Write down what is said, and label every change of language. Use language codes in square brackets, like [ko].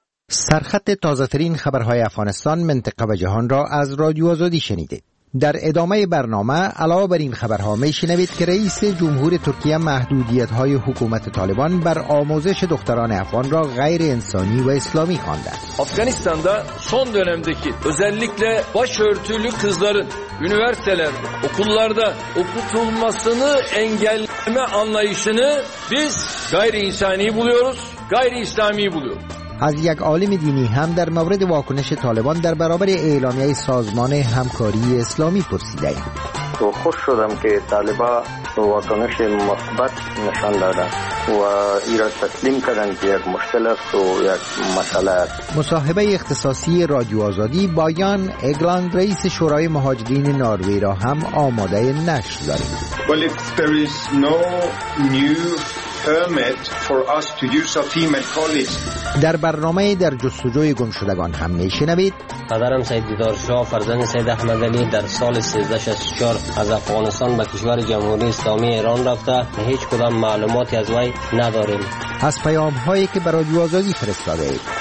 [fa] سرخط تازه‌ترین خبرهای افغانستان، منطقه و جهان را از رادیو آزادی شنیدید. در ادامه برنامه علاوه بر این خبرها میشنوید که رئیس جمهور ترکیه محدودیت‌های حکومت طالبان بر آموزش دختران افغان را غیر انسانی و اسلامی خوانده. افغانستان در [tr] son dönemdeki özellikle başörtülü kızların üniversitelerde, okullarda okutulmasını engelleme anlayışını biz gayri insani buluyoruz, gayri islami buluyoruz. [fa] از یک عالم دینی هم در مورد واکنش طالبان در برابر اعلامیه سازمان همکاری اسلامی پرسیده ایم. تو خوش شدم که طالبا واکنش مثبت نشان دادن و ایران تسلیم کردن که یک مشکل است و یک مسئله است. مصاحبه اختصاصی رادیو آزادی با یان اگلاند، رئیس شورای مهاجرین ناروی را هم آماده نشر داریم. [en] Well, if there is no new permit for us to use our female colleagues. [fa] در برنامه در جستجوی گمشدگان هم میشنوید. پدرم سید دیدار شاه، فرزند سید احمد علی، در سال 1364 از افغانستان به کشور جمهوری اسلامی ایران رفته. هیچ کدام معلوماتی از وی نداریم. از پیام هایی که برای رادیو آزادی فرستاده اید.